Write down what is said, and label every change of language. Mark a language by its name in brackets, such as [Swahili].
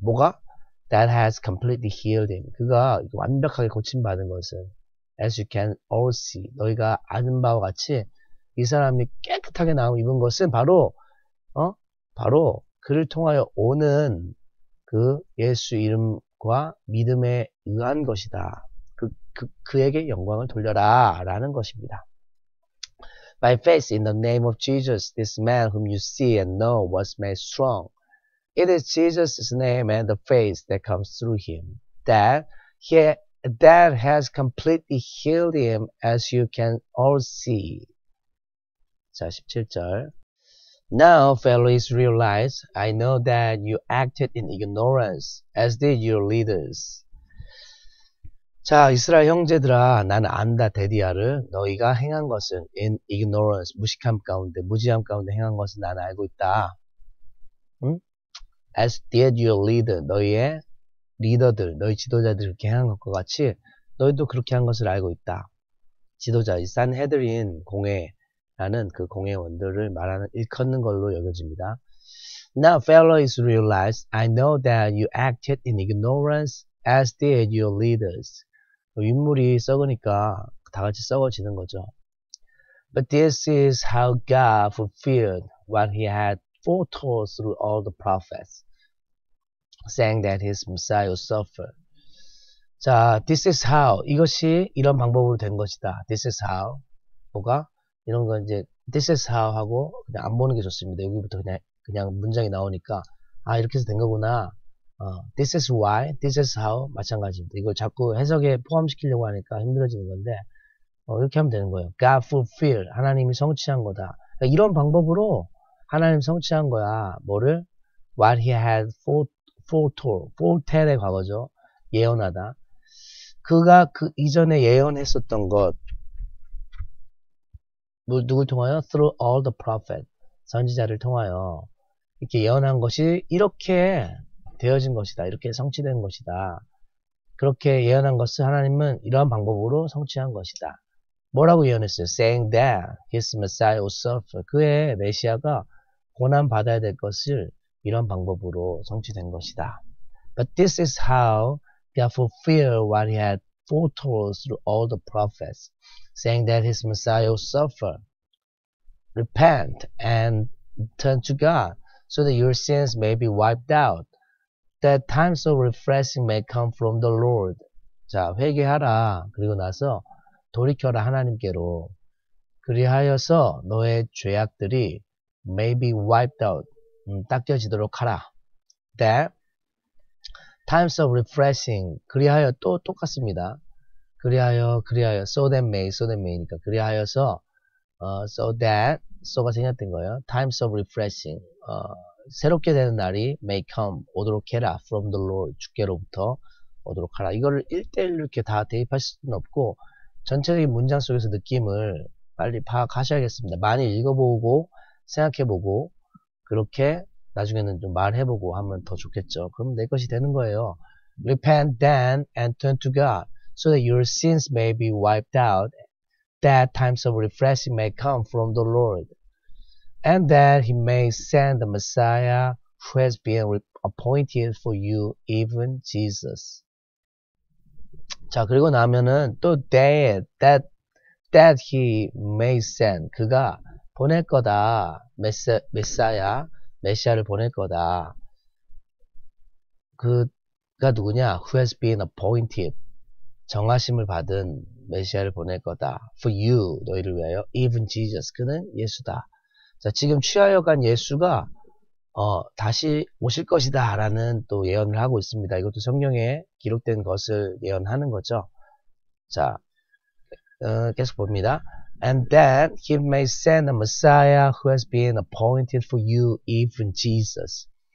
[Korean] 뭐가? [English] That has completely healed him. [Korean] 그가 완벽하게 고침받은 것을 [English] as you can all see. [Korean] 너희가 아는 바와 같이 이 사람이 깨끗 깨끗하게 남음 입은 것은 바로 바로 그를 통하여 오는 그 예수 이름과 믿음에 의한 것이다. 그에게 영광을 돌려라 라는 것입니다. [English] By faith in the name of Jesus, this man whom you see and know was made strong. It is Jesus' name and the faith that comes through him that has completely healed him, as you can all see. [Korean] 자, 17절. [English] Now, fellow Israelites, I know that you acted in ignorance, as did your leaders. [Korean] 자, 이스라엘 형제들아, 나는 안다, 데디아를. 너희가 행한 것은 [English] in ignorance, [Korean] 무식함 가운데, 무지함 가운데 행한 것은 나는 알고 있다. 응? [English] As did your leader, [Korean] 너희의 리더들, 너희 지도자들이 그렇게 행한 것과 같이 너희도 그렇게 한 것을 알고 있다. 지도자, 이 산헤드린 공회라는 그 공회원들을 말하는 일컫는 걸로 여겨집니다. [English] Now, fellow Israelites, I know that you acted in ignorance as did your leaders. [Korean] 윗물이 썩으니까 다 같이 썩어지는 거죠. [English] But this is how God fulfilled what he had foretold through all the prophets, saying that his Messiah would suffer. 자, this is how. [Korean] 이것이 이런 방법으로 된 것이다. [English] This is how. [Korean] 뭐가? 이런 건 이제, [English] this is how [Korean] 하고, 그냥 안 보는 게 좋습니다. 여기부터 그냥 문장이 나오니까. 아, 이렇게 해서 된 거구나. [English] This is why, this is how. [Korean] 마찬가지입니다. 이걸 자꾸 해석에 포함시키려고 하니까 힘들어지는 건데, 이렇게 하면 되는 거예요. [English] God fulfilled. [Korean] 하나님이 성취한 거다. 그러니까 이런 방법으로 하나님 성취한 거야. 뭐를? [English] What he had foretold, [Korean] foretell의 과거죠. 예언하다. 그가 그 이전에 예언했었던 것, 누굴 통하여? [English] Through all the prophet, [Korean] 선지자를 통하여 이렇게 예언한 것이 이렇게 되어진 것이다. 이렇게 성취된 것이다. 그렇게 예언한 것을 하나님은 이러한 방법으로 성취한 것이다. 뭐라고 예언했어요? [English] Saying that his Messiah would suffer. [Korean] 그의 메시아가 고난 받아야 될 것을 이런 방법으로 성취된 것이다. [English] But this is how God fulfilled what he had foretold through all the prophets, saying that his Messiah would suffer. Repent and turn to God, so that your sins may be wiped out, that times of refreshing may come from the Lord. [Korean] 자, 회개하라. 그리고 나서 돌이켜라 하나님께로. 그리하여서 너의 죄악들이 [English] may be wiped out, [Korean] 닦여지도록 하라. [English] That times of refreshing, [Korean] 그리하여 또 똑같습니다. 그리하여, so that may니까, 그리하여서, so that, so가 생략된 거예요. [English] times of refreshing, [Korean] 새롭게 되는 날이 [English] may come, [Korean] 오도록 해라, [English] from the Lord, [Korean] 주께로부터 오도록 하라. 이거를 1대1로 이렇게 다 대입하실 수는 없고, 전체적인 문장 속에서 느낌을 빨리 파악하셔야겠습니다. 많이 읽어보고, 생각해보고, 그렇게 나중에는 좀 말해보고 하면 더 좋겠죠. 그럼 내 것이 되는 거예요. [English] Repent then and turn to God, so that your sins may be wiped out, that times of refreshing may come from the Lord, and that he may send the Messiah who has been appointed for you, even Jesus. [Korean] 자, 그리고 나면은 또 [English] that he may send, [Korean] 그가 보낼 거다. 메시아야. 메시아를 보낼 거다. 그가 누구냐? [English] Who has been appointed. [Korean] 정하심을 받은 메시아를 보낼 거다. [English] For you, [Korean] 너희를 위하여. [English] Even Jesus, [Korean] 그는 예수다. 자, 지금 취하여 간 예수가 다시 오실 것이다 라는 또 예언을 하고 있습니다. 이것도 성경에 기록된 것을 예언하는 거죠. 자, 계속 봅니다. [English] And that he may send a Messiah who has been appointed for you, even Jesus.